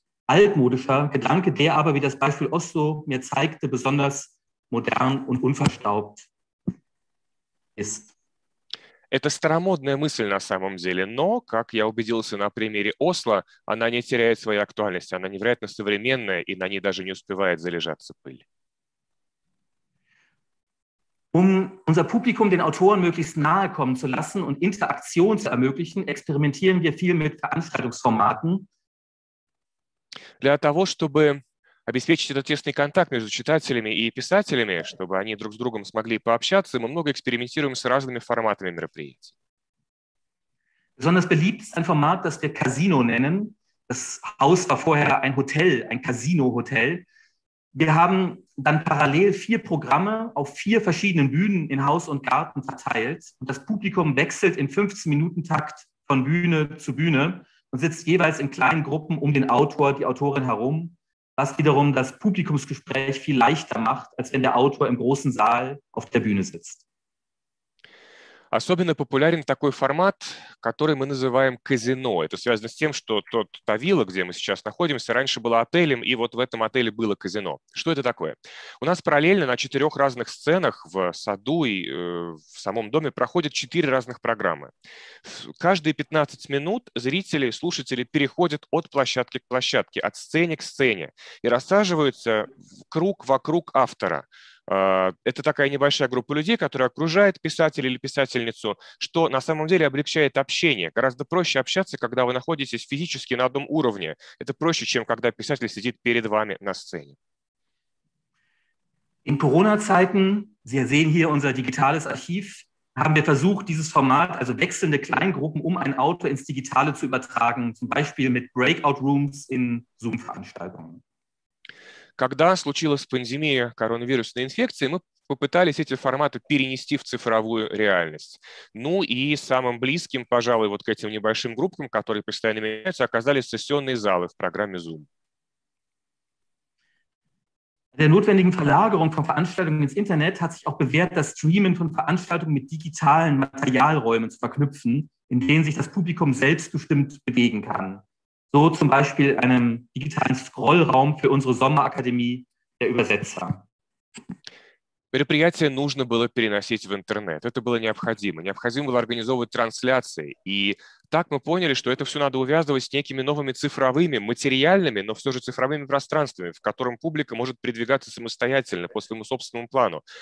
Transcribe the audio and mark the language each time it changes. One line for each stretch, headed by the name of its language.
German: Altmodischer Gedanke, der aber, wie das Beispiel Oslo mir zeigte, besonders modern und unverstaubt ist.
Russian: Это старомодная мысль на самом деле, но, как я убедился на примере Осло, она не теряет своей актуальности, она невероятно современная, и на ней даже не успевает залежаться пыль.
German: Um unser Publikum den Autoren möglichst nahe kommen zu lassen und Interaktion zu ermöglichen, experimentieren wir viel mit Veranstaltungsformaten.
Russian: Для того, чтобы обеспечить этот тесный контакт между читателями и писателями, чтобы они друг с другом смогли пообщаться, мы много экспериментируем с разными форматами мероприятий.
German: Besonders beliebt ist ein Format, das wir Casino nennen. Das Haus war vorher ein Hotel, ein Casino-Hotel. Wir haben dann parallel 4 Programme auf 4 verschiedenen Bühnen in Haus und Garten verteilt. Und das Publikum wechselt im 15-Minuten-Takt von Bühne zu Bühne. Und sitzt jeweils in kleinen Gruppen um den Autor, die Autorin herum, was wiederum das Publikumsgespräch viel leichter macht, als wenn der Autor im großen Saal auf der Bühne sitzt.
Russian: Особенно популярен такой формат, который мы называем казино. Это связано с тем, что та вилла, где мы сейчас находимся, раньше была отелем, и вот в этом отеле было казино. Что это такое? У нас параллельно на четырех разных сценах в саду и в самом доме проходят четыре разных программы. Каждые 15 минут зрители, слушатели переходят от площадки к площадке, от сцены к сцене, и рассаживаются в круг вокруг автора. Это такая небольшая группа людей, которая окружает писателя или писательницу, что на самом деле облегчает общение. Гораздо проще общаться, когда вы находитесь физически на одном уровне. Это проще, чем когда писатель сидит перед вами на сцене.
German: In Corona-Zeiten, Sie sehen hier unser digitales Archiv, haben wir versucht, dieses Format, also wechselnde Kleingruppen, um ein Autor ins Digitale zu übertragen, zum Beispiel mit Breakout-Rooms in Zoom-Veranstaltungen.
Russian: Когда случилась пандемия коронавирусной инфекции, мы попытались эти форматы перенести в цифровую реальность. Ну и самым близким, пожалуй, вот к этим небольшим группам, которые постоянно меняются, оказались сессионные залы в программе Zoom.
German: Der notwendigen Verlagerung von Veranstaltungen ins Internet hat sich auch bewährt, das Streamen von Veranstaltungen mit digitalen Materialräumen zu verknüpfen, in denen sich das Publikum selbstbestimmt bewegen kann. So zum Beispiel einem digitalen Scrollraum für unsere Sommerakademie der Übersetzer.
Russian: Мероприятие нужно было переносить в интернет. Это было необходимо. Необходимо было организовывать трансляции. И так мы поняли, что это все надо увязывать с некими новыми цифровыми, материальными, но все же цифровыми пространствами, в котором публика может передвигаться самостоятельно по своему собственному плану.